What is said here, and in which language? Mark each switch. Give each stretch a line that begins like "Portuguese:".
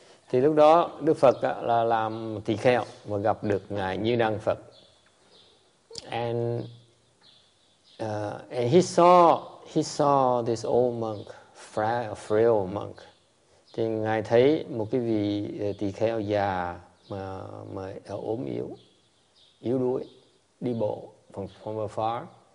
Vietnamese: Thì lúc đó Đức Phật là làm tỳ kheo và gặp được ngài Như Năng Phật.
English: And he saw this old monk, frail monk.
Vietnamese: Thì ngài thấy một cái vị tỳ kheo già mà ốm yếu, yếu đuối, đi bộ
English: from afar.